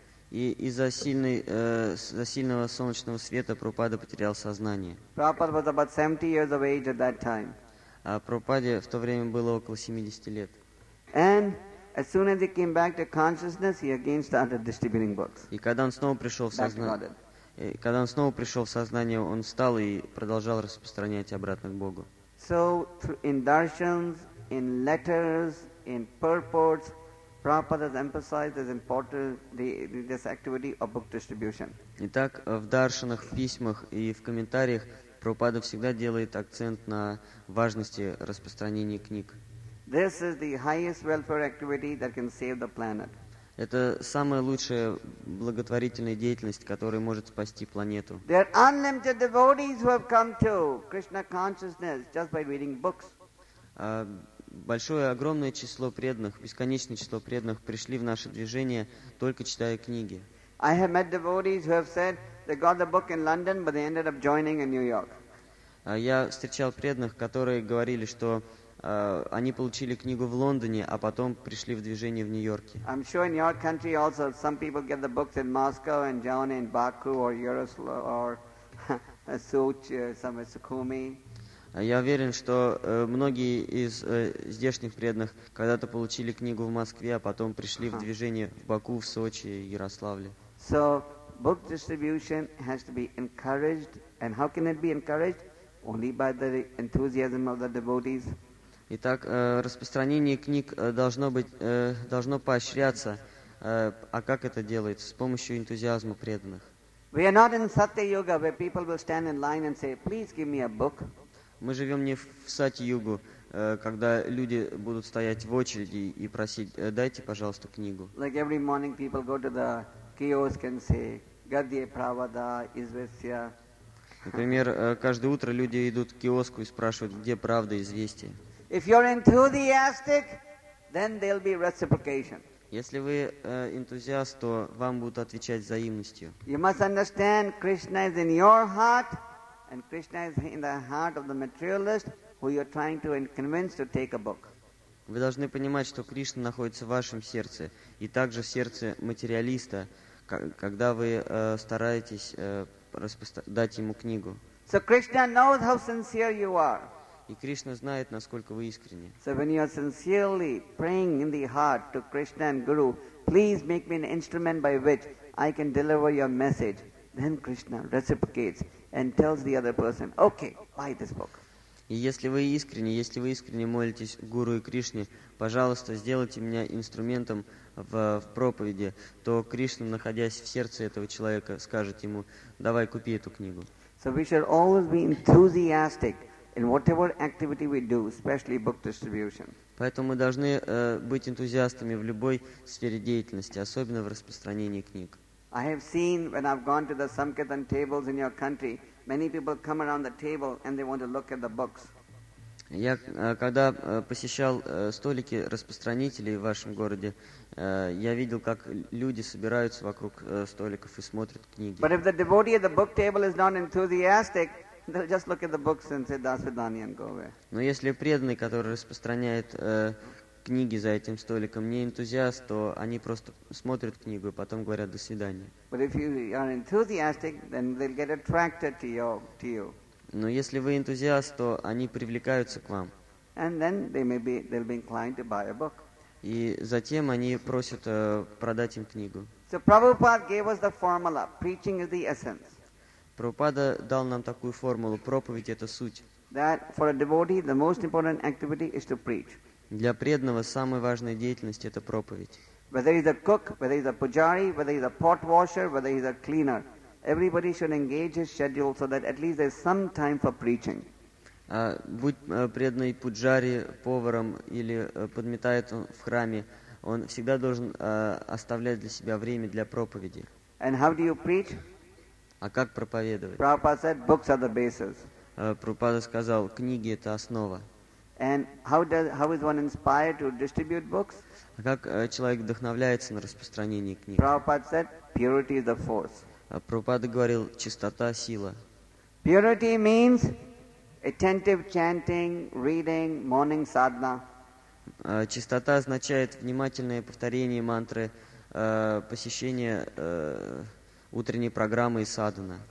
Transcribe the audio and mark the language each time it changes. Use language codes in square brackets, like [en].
[ru] И из-за сильного солнечного света Прабхупада потерял сознание. [en] Prabhupada was about 70 years of age at that time. [ru] А Прабхупаде в то время было около 70 лет. [en] And as soon as he came back to consciousness, he again started distributing books. [ru] И когда он снова пришел в сознание, он встал и продолжал распространять обратно к Богу. [en] So in darshans, in letters, in purports, Prabhupada has emphasized this this activity of book distribution. [ru] Итак, в даршанах, в письмах и в комментариях Прабхупада всегда делает акцент на важности распространения книг. [en] This is the highest welfare activity that can save the planet. [ru] Это самая лучшая благотворительная деятельность, которая может спасти планету. [en] There are unlimited devotees who have come to Krishna consciousness just by reading books. [ru] Большое, огромное число преданных, бесконечное число преданных пришли в наше движение, только читая книги. [en] I have met devotees who have said they got the book in London, but they ended up joining in New York. [ru] Я встречал преданных, которые говорили, что они получили книгу в Лондоне, а потом пришли в движение в Нью-Йорке. [en] I'm sure in your country also some people get the books in Moscow and down in Baku or Yaroslav or Sochi, somewhere Sukhumi. [ru] Я уверен, что многие из здешних преданных когда-то получили книгу в Москве, а потом пришли в движение в Баку, в Сочи, Ярославле. [en] So, book distribution has to be encouraged. And how can it be encouraged? Only by the enthusiasm of the devotees. [ru] Итак, распространение книг должно поощряться. А как это делается? С помощью энтузиазма преданных. [en] We are not in Satya-yuga, where people will stand in line and say, please give me a book. [ru] Мы живем не в Сати-югу, когда люди будут стоять в очереди и просить, дайте, пожалуйста, книгу. [en] Like every morning people go to the kiosk and say, Gadhya Pravada, Известия. [ru] Например, каждое утро люди идут к киоску и спрашивают, где правда, известие. [en] If you're enthusiastic, then there'll be reciprocation. [ru] Если вы энтузиаст, то вам будут отвечать взаимностью. [en] You must understand Krishna is in your heart. And Krishna is in the heart of the materialist who you're trying to convince to take a book. [ru] Вы должны понимать, что Кришна находится в вашем сердце, и также в сердце материалиста, когда вы стараетесь дать ему книгу. [en] So Krishna knows how sincere you are. [ru] И Кришна знает, насколько вы искренни. [en] So when you are sincerely praying in the heart to Krishna and Guru, please make me an instrument by which I can deliver your message. Then Krishna reciprocates and tells the other person, okay, buy this book. [ru] И если вы искренне молитесь Гуру и Кришне, пожалуйста, сделайте меня инструментом в проповеди, то Кришна, находясь в сердце этого человека, скажет ему, давай, купи эту книгу. [en] So we should always be enthusiastic in whatever activity we do, especially book distribution. [ru] Поэтому мы должны быть энтузиастами в любой сфере деятельности, особенно в распространении книг. [en] I have seen when I've gone to the Sankirtan tables in your country, many people come around the table and they want to look at the books. [ru] Я когда посещал столики распространителей в вашем городе, я видел, как люди собираются вокруг столиков и смотрят книги. [en] But if the devotee at the book table is not enthusiastic, they'll just look at the books and say, Dasvidani, and go away. [ru] Но если преданный, который распространяет книги за этим столиком, не энтузиаст, то они просто смотрят книгу и потом говорят «до свидания». [en] But if you are enthusiastic, then they'll get attracted to you. [ru] Но если вы энтузиаст, то они привлекаются к вам. [en] And then they may be, they'll be inclined to buy a book. [ru] И затем они просят продать им книгу. [en] So Prabhupada gave us the formula, preaching is the essence. [ru] Прабхупада дал нам такую формулу, проповедь – это суть. [en] That for a devotee, the most important activity is to preach. [ru] Для преданного самая важная деятельность – это проповедь. [en] Whether he's a cook, whether he's a pujari, whether he's a pot washer, whether he's a cleaner, everybody should engage his schedule so that at least there's some time for preaching. [ru] Будь преданный пуджари, поваром или подметает он в храме, он всегда должен оставлять для себя время для проповеди. [en] And how do you preach? [ru] А как проповедовать? [en] Prabhupada said, books are the basis. [ru] Прабхупада сказал, книги – это основа. [en] And how is one inspired to distribute books? [ru] А как человек вдохновляется на распространении книг? [en] Prabhupada said, purity is the force. [ru] Прабхупада говорил, чистота – сила. [en] Purity means attentive chanting, reading, morning sadhana. [ru] Чистота означает внимательное повторение мантры, посещение утренней программы и садхана.